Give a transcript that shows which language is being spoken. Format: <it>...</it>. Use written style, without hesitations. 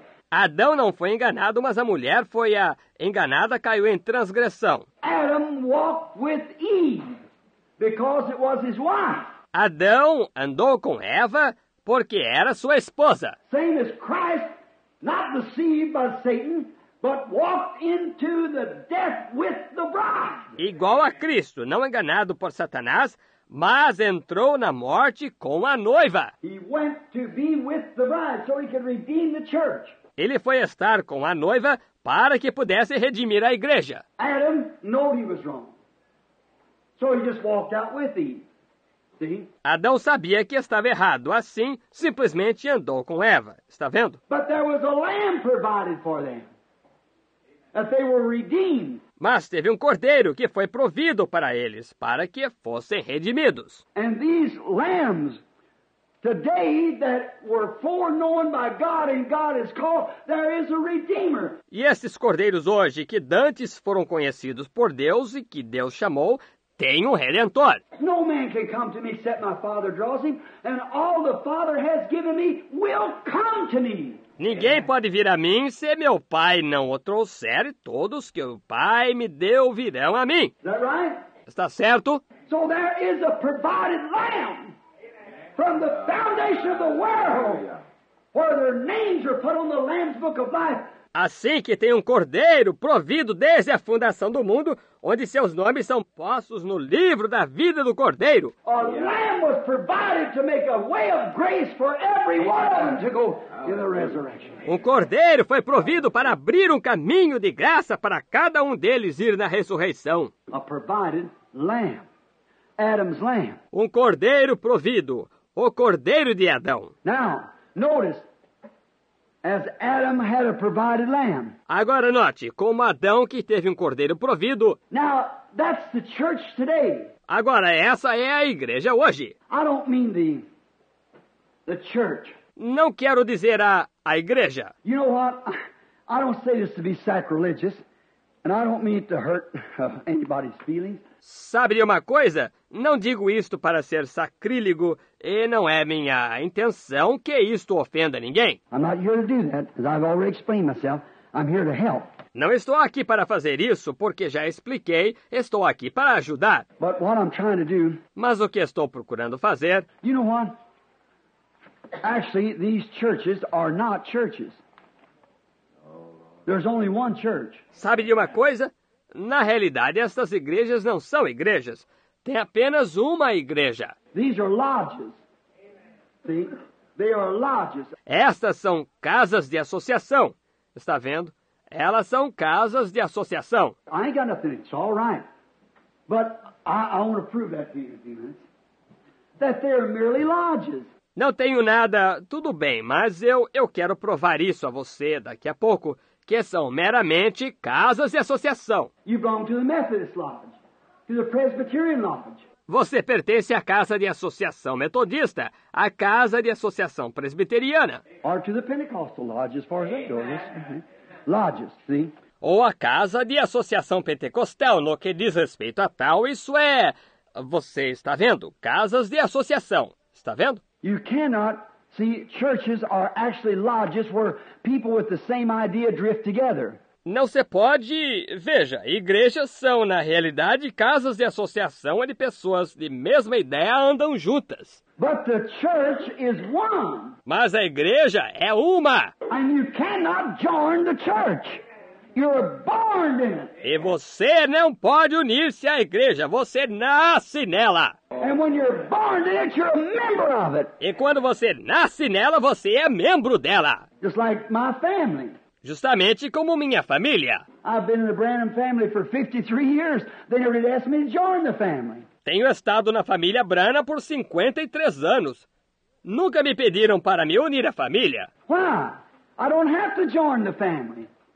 <pt>Adão não foi enganado, mas a mulher foi a enganada, caiu em transgressão.</pt> <en>Adam walked with Eve because it was his wife.</en> <pt>Adão andou com Eva porque era sua esposa.</pt> <en>Same as Christ, not deceived by Satan, but walked into the death with the bride.</en> <pt>Igual a Cristo, não enganado por Satanás, mas entrou na morte com a noiva.</pt> <en>He went to be with the bride so he could redeem the church.</en> <pt>Ele foi estar com a noiva para que pudesse redimir a igreja.</pt> <en>Adam knew he was wrong. So he just walked out with Eve.</en> <pt>Adão sabia que estava errado, assim simplesmente andou com Eva. Está vendo?</pt> <en>But there was a lamb provided for them, that they were redeemed.</en> <pt>Mas teve um cordeiro que foi provido para eles, para que fossem redimidos.</pt> <en>And these lambs today that were foreknown by God and God is called, there is a redeemer.</en> <pt>E esses cordeiros hoje que dantes foram conhecidos por Deus e que Deus chamou, tem um redentor.</pt> <en>No man can come to me except my father draws him, and all the father has given me will come to me.</en> <pt>Ninguém pode vir a mim se meu pai não o trouxer, e todos que o pai me deu virão a mim.</pt> <en>Is that right?</en> <pt>Está certo?</pt> <en>So there is a provided lamb from the foundation of the world, where their names are put on the Lamb's Book of Life.</en> <pt>Assim que tem um cordeiro provido desde a fundação do mundo, onde seus nomes são postos no livro da vida do cordeiro.</pt> <en>A lamb was provided to make a way of grace for everyone to go in the resurrection.</en> <pt>Um cordeiro foi provido para abrir um caminho de graça para cada um deles ir na ressurreição.</pt> <en>A provided lamb. Adam's lamb.</en> <pt>Um cordeiro provido. O cordeiro de Adão.</pt> <en>Now, notice. As Adam had a provided lamb.</en> <pt>Agora note, como Adão que teve um cordeiro provido.</pt> <en>Now, that's the church today.</en> <pt>Agora, essa é a igreja hoje.</pt> <en>I don't mean the church.</en> <pt>Não quero dizer a igreja.</pt> <en>You know what? I don't say this to be sacrilegious, and I don't mean it to hurt anybody's feelings.</en> <pt>Sabe de uma coisa? Não digo isto para ser sacrílego e não é minha intenção que isto ofenda ninguém.</pt> <en>I'm not here to do that, as I've already explained myself. I'm here to help.</en> <pt>Não estou aqui para fazer isso, porque já expliquei, estou aqui para ajudar.</pt> <en>But what I'm trying to do,</en> <pt>mas o que estou procurando fazer?</pt> <en>You know what? Actually, these churches are not churches. There's only one church.</en> <pt>Sabe de uma coisa? Na realidade, estas igrejas não são igrejas. Tem apenas uma igreja.</pt> <en>These are lodges. See? They are lodges.</en> <pt>Estas são casas de associação. Está vendo? Elas são casas de associação.</pt> <en>I ain't got nothing. It's all right. But I want to prove that to you, demons, that they are merely lodges.</en> <pt>Não tenho nada. Tudo bem. Mas eu quero provar isso a você daqui a pouco. Que são meramente casas de associação.</pt> <en>You belong to the Methodist Lodge, to the Presbyterian Lodge.</en> <pt>Você pertence à casa de associação metodista, à casa de associação presbiteriana.</pt> <en>Or to the Pentecostal Lodge, as far as that goes. Lodges, see?</en> <pt>Ou à casa de associação pentecostal, no que diz respeito a tal, isso é... Você está vendo? Casas de associação. Está vendo?</pt> <en>You cannot... See, churches are actually lodges where people with the same idea drift together.</en> <pt>Não se pode... Veja, igrejas são, na realidade, casas de associação onde pessoas de mesma ideia andam juntas.</pt> <en>But the church is one.</en> <pt>Mas a igreja é uma.</pt> <en>And you cannot join the church. You're born in it.</en> <pt>E você não pode unir-se à igreja. Você nasce nela.</pt> <en>And when you're born in it, you're a member of it.</en> <pt>E quando você nasce nela, você é membro dela.</pt> <en>Just like my family.</en> <pt>Justamente como minha família.</pt> <en>I've been in the Branham family for 53 years. They never asked me to join the family.</en> <pt>Tenho estado na família Branham por 53 anos. Nunca me pediram para me unir à família.</pt> <en>Why? I don't have to join the family.</en>